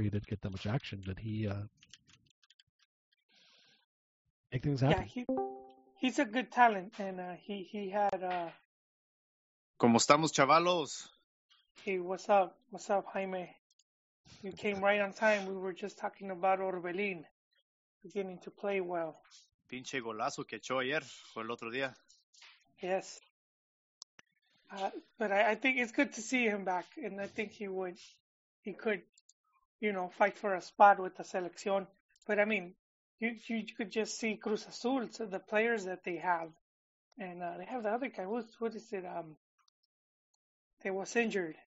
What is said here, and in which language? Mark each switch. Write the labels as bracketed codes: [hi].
[en] He didn't get that much action, but he make things happen. Yeah, he's a good talent, and he had. [es] ¿Cómo estamos, chavalos? [en] Hey, what's up? What's up, Jaime? You came right on time. We were just talking about Orbelin beginning to play well. [es] Pinche golazo que echó ayer o el otro día. [en] Yes. But I think it's good to see him back, and I think he could fight for a spot with the selección. But I mean, you could just see Cruz Azul, so the players that they have, and they have the other guy. What is it? They was injured.